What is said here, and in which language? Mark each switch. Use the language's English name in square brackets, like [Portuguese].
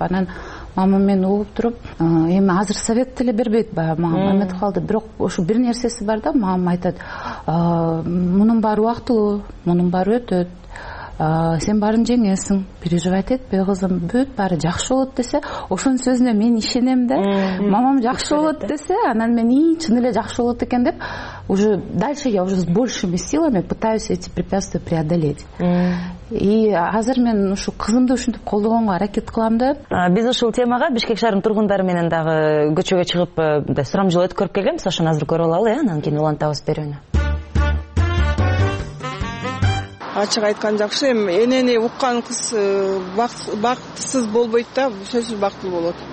[Kyrgyz] Анан мама мен угуп туруп, эми азыр совет деле бербейт баягы мага эметип калды. Бирок ошо бир нерсеси бар да, мамам айтат, мунун баары убактылуу, мунун баары өтөт. Сен баарын жеңесиң, переживать этпе кызым, бүт баары жакшы болот десе, ошонун сөзүнө мен ишенем да. Мамам жакшы болот десе, анан мен и чын эле жакшы болот экен деп [Russian] уже дальше я уже с большими силами пытаюсь эти препятствия преодолеть. [Kyrgyz] И азыр мен ушу кызымды ушинтип колдогонго аракет кылам да. Биз ушул темага Бишкек шаарынын тургундары менен дагы көчөгө чыгып мындай сурам жолу өткөрүп келгенбиз. Ошону азыр көрүп алалы, анан кийин улантабыз берүүнү. Ачык айткан жакшы, эми энени уккан кыз бактысыз болбойт да, сөзсүз бактылуу болот.